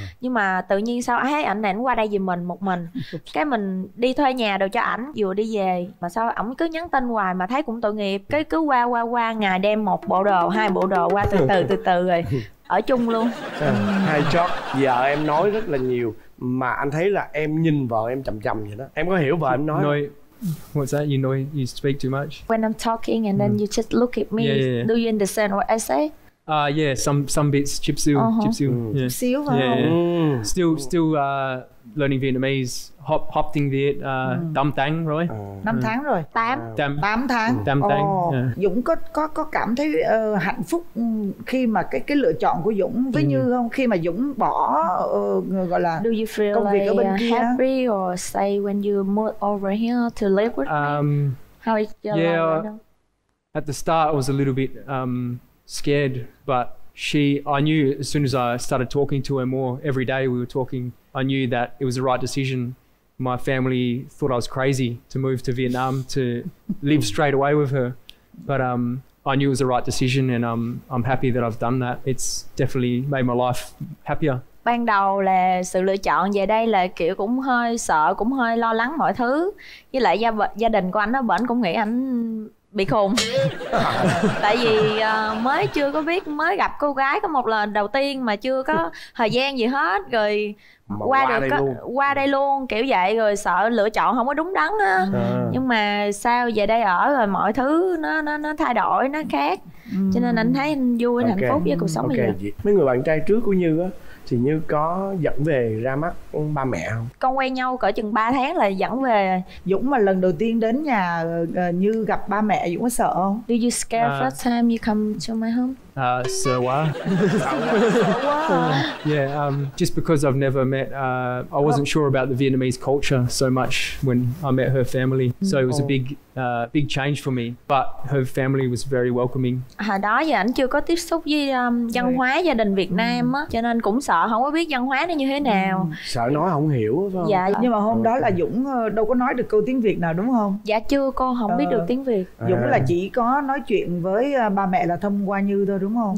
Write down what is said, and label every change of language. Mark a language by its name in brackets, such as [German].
[Vietnamese] Nhưng mà tự nhiên sau ấy ảnh này ảnh qua đây vì mình một mình. Cái mình đi thuê nhà đồ cho ảnh vừa đi về, mà sao ảnh cứ nhắn tin hoài mà thấy cũng tội nghiệp. Cái cứ qua ngày đem một bộ đồ, hai bộ đồ qua từ từ rồi ở chung luôn. Hay chót. Vợ em nói rất là nhiều mà anh thấy là em nhìn vợ em chậm chậm vậy đó. Em có hiểu vợ em nói [English] no, what's that? You know you speak too much. When I'm talking and then you just look at me. Yeah. Do you understand what I say? Yeah, some bits chipsu. Chipsu. Chipsu. Still learning Vietnamese. [Vietnamese] Hop tiếng Việt. Tám tháng rồi. Năm tháng rồi. Tám tháng. Dũng có cảm thấy hạnh phúc khi mà cái lựa chọn của Dũng với Như không? Khi mà Dũng bỏ gọi là [English] do you feel [Vietnamese] công việc [English] like [Vietnamese] ở bên kia. [English] Happy or say when you move over here to live with me? How is your life? at the start I was a little bit scared, but I knew as soon as I started talking to her more every day we were talking, I knew that it was the right decision. My family thought I was crazy to move to Vietnam to live straight away with her, but I knew it was the right decision, and I'm happy that I've done that. It's definitely made my life happier. [Vietnamese] Ban đầu là sự lựa chọn về đây là kiểu cũng hơi sợ, cũng hơi lo lắng mọi thứ. Với lại gia đình của anh đó, bởi anh cũng nghĩ anh bị khùng. Tại vì mới chưa có biết, mới gặp cô gái có một lần đầu tiên mà chưa có thời gian gì hết. Rồi qua đây luôn kiểu vậy, rồi sợ lựa chọn không có đúng đắn á. Nhưng mà sao về đây ở rồi mọi thứ nó thay đổi, nó khác. Cho nên anh thấy anh vui, anh hạnh phúc với cuộc sống này. Mấy người bạn trai trước của Như á, thì Như có dẫn về ra mắt ba mẹ không? Con quen nhau cỡ chừng 3 tháng là dẫn về. Dũng mà lần đầu tiên đến nhà Như gặp ba mẹ, Dũng có sợ không? [English] Do you scare first time you come to my home? [Vietnamese] Sợ quá. Sợ quá. [English] Yeah, just because I've never met, I wasn't sure about the Vietnamese culture so much when I met her family. So it was a big change for me. But her family was very welcoming. [Vietnamese] Hồi đó giờ anh chưa có tiếp xúc với văn hóa gia đình Việt Nam á, cho nên cũng sợ không có biết văn hóa nó như thế nào. Sợ nói không hiểu phải không? Dạ. Nhưng mà hôm đó là Dũng đâu có nói được câu tiếng Việt nào đúng không? Dạ chưa, con không biết được tiếng Việt. Dũng là chỉ có nói chuyện với ba mẹ là thông qua Như thôi đúng không?